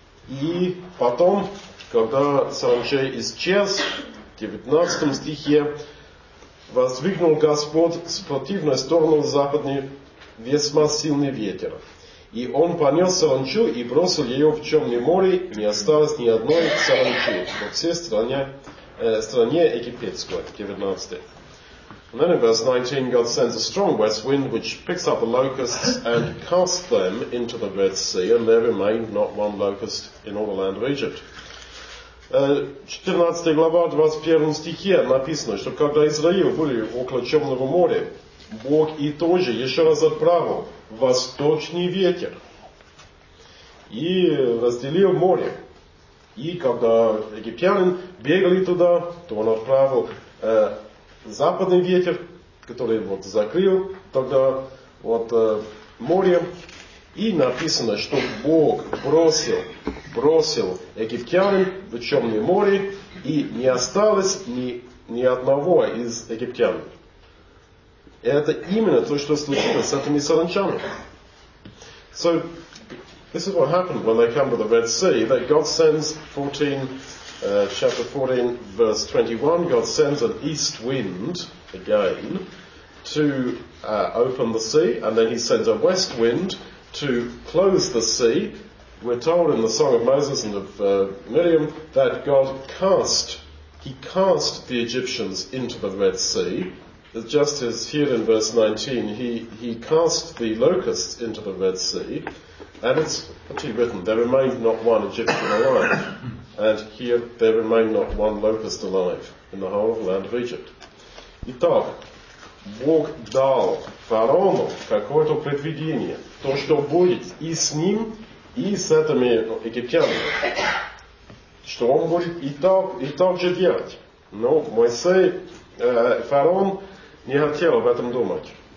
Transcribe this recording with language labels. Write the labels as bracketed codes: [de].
[ru] И потом, когда саранчи исчез, 19 стихе, воздвигнул Господь с противной стороны западный весьма сильный ветер. И он понес саранчу и бросил ее в Черное море, не осталось ни одной саранчи во всей стране египетской. 19. [en] And then in verse 19, God sends a strong west wind which picks up the locusts and casts them into the Red Sea, and there remained not one locust in all the land of Egypt. [ru] 14 глава, 21 стихе написано, что когда Израиль были около Черного моря, Бог и тоже еще раз отправил восточный ветер и разделил море. И когда египтянин бегали туда, то он отправил западный ветер, который вот закрыл тогда вот море. И написано, что Бог бросил египтянин в Черное море, и не осталось ни одного из египтян. И это именно то, что случилось с этими саранчами. [en] So, this is what happened when they come to the Red Sea, that God sends, chapter 14, verse 21, God sends an east wind again to open the sea, and then he sends a west wind to close the sea. We're told in the Song of Moses and of Miriam that God cast the Egyptians into the Red Sea. Just as here in verse 19, he cast the locusts into the Red Sea. And it's actually written, there remained not one Egyptian alive. And here, there remained not one locust alive in the whole of the land of Egypt. [ru] Итак, Бог дал фараону какое-то предвидение, то, что будет и с ним, и с этими египтянами, что он будет и так же делать. Но Моисей, фараон, не хотел об этом думать.